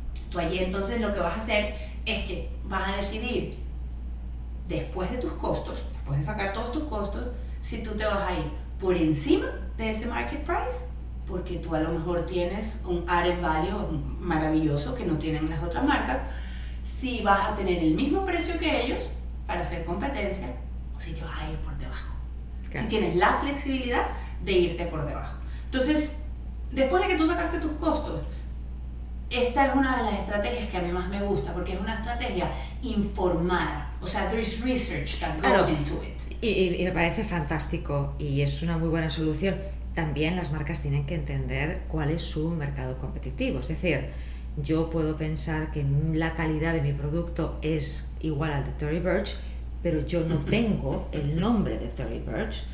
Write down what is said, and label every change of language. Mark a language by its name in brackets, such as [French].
[Spanish] Tú allí entonces lo que vas a hacer es que vas a decidir, después de tus costos, después de sacar todos tus costos, si tú te vas a ir por encima de ese market price, porque tú a lo mejor tienes un added value maravilloso que no tienen las otras marcas, si vas a tener el mismo precio que ellos para hacer competencia, o si te vas a ir por debajo. Okay. Si tienes la flexibilidad de irte por debajo. Entonces, después de que tú sacaste tus costos, esta es una de las estrategias que a mí más me gusta, porque es una estrategia informada. O sea, [English] there is research that goes into it. [Spanish] Y me parece fantástico, y es una muy buena solución. También las marcas tienen que entender cuál es su mercado competitivo. Es decir, yo puedo pensar que la calidad de mi producto es igual al de Tory Burch, pero yo no tengo el nombre de Tory Burch.